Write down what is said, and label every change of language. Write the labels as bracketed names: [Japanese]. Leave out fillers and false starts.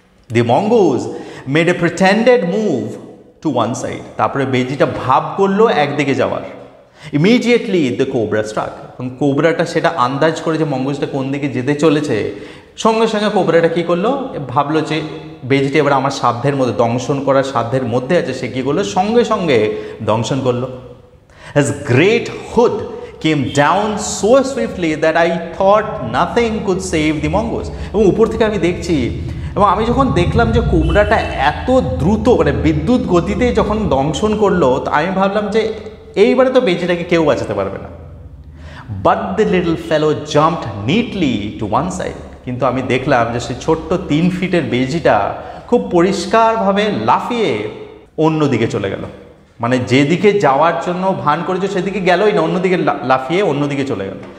[English] the Mongols made a pretended move to one side, [Bangla] তারপরে বেজিটা ভাব করলো একদিকে যাওয়ার। [English] immediately the cobra struck, [Bangla] এবং কোবরাটা সেটা আন্দাজ করে যে মঙ্গোলসটা কোন দিকে যেতে চলেছে, সঙ্গে সঙ্গে কোবরাটা কী করলো, ভাবলো যে বেজিটা এবার আমার সাধ্যের মধ্যে, দংশন করার সাধ্যের মধ্যে আছে, সে কী করলো, সঙ্গে সঙ্গে দংশন করলো। [English] Has great hood came down so swiftly that I thought nothing could save the mongoose. [Bangla] এবং উপর থেকে আমি দেখছি, এবং আমি যখন দেখলাম যে কোবরাটা এত দ্রুত মানে বিদ্যুৎ গতিতে যখন দংশন করলো, তো আমি ভাবলাম যে এইবারে তো বেজিটাকে কেউ বাঁচাতে পারবে না। [English] but the little fellow jumped neatly to one side, [Bangla] কিন্তু আমি দেখলাম যে সে ছোট্ট 3 ফিটের বেজিটা খুব পরিষ্কারভাবে লাফিয়ে অন্যদিকে চলে গেল, মানে যেদিকে যাওয়ার জন্য ভান করেছে সেদিকে গেলোই না, অন্যদিকে লাফিয়ে অন্যদিকে চলে গেল।